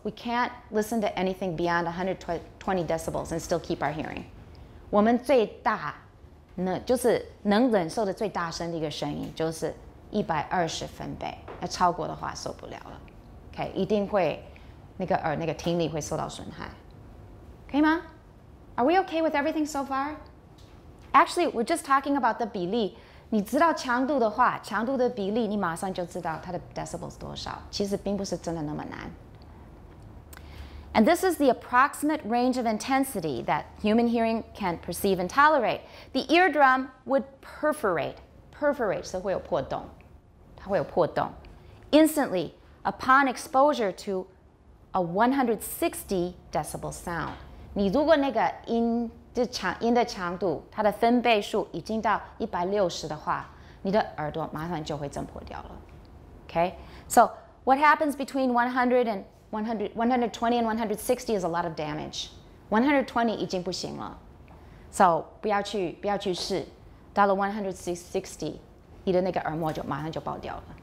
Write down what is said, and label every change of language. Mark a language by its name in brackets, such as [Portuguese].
[English] We can't listen to anything beyond 120 decibels and still keep our hearing. [Chinese] 我们最大那就是能忍受的最大声的一个声音，就是120分贝。那超过的话受不了了 ，OK， 一定会那个听力会受到损害，可以吗 ？ [English] Are we okay with everything so far? Actually, we're just talking about the [Chinese] 比例。你知道强度的话，强度的比例，你马上就知道它的 decibels 多少。其实并不是真的那么难。 [English] And this is the approximate range of intensity that human hearing can perceive and tolerate. The eardrum would perforate, [Chinese] 是会有破洞，它会有破洞 [English] instantly upon exposure to a 160 decibel sound. [Chinese] 你如果那个音的强度，它的分贝数已经到160的话，你的耳朵马上就会震破掉了。 [English] Okay, so what happens between 120 and 160 is a lot of damage. [Chinese] 120已经不行了 ，so 不要去试。到了160，你的那个耳膜就马上就爆掉了。